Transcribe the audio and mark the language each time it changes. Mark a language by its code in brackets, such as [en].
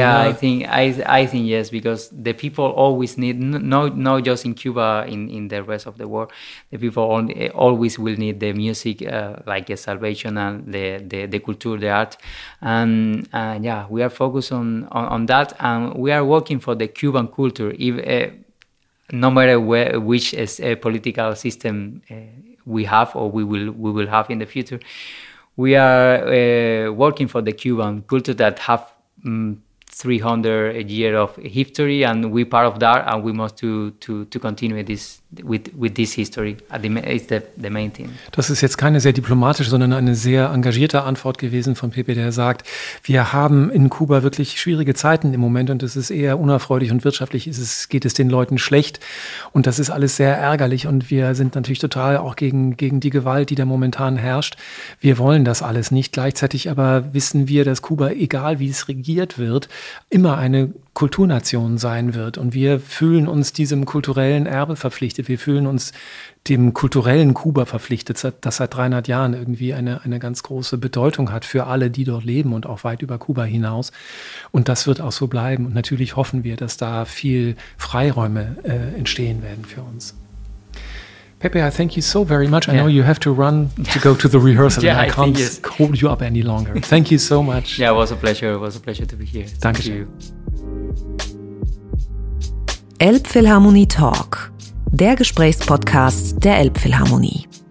[en] I think yes, because the people always need, not just in Cuba, in the rest of the world, the people always will need the music like a salvation, and the culture, the art, and we are focused on that, and we are working for the Cuban culture, no matter which political system we have or we will have in the future. We are working for the Cuban culture that have 300 year of history, and we part of that, and we must to continue this with this history. It's the main thing. [de] Das ist jetzt keine sehr diplomatische, sondern eine sehr engagierte Antwort gewesen von Pepe, der sagt, wir haben in Kuba wirklich schwierige Zeiten im Moment und es ist eher unerfreulich und wirtschaftlich geht es den Leuten schlecht und das ist alles sehr ärgerlich und wir sind natürlich total auch gegen die Gewalt, die da momentan herrscht. Wir wollen das alles nicht. Gleichzeitig aber wissen wir, dass Kuba, egal wie es regiert wird, immer eine Kulturnation sein wird. Und wir fühlen uns diesem kulturellen Erbe verpflichtet. Wir fühlen uns dem kulturellen Kuba verpflichtet, das seit 300 Jahren irgendwie eine ganz große Bedeutung hat für alle, die dort leben und auch weit über Kuba hinaus. Und das wird auch so bleiben. Und natürlich hoffen wir, dass da viel Freiräume entstehen werden für uns. [en] Pepe, I thank you so very much. I know you have to run to go to the rehearsal. Yeah, and I can't hold you up any longer. Thank you so much. Yeah, it was a pleasure. It was a pleasure to be here. [de] Danke schön. Elbphilharmonie Talk, der Gesprächspodcast der Elbphilharmonie.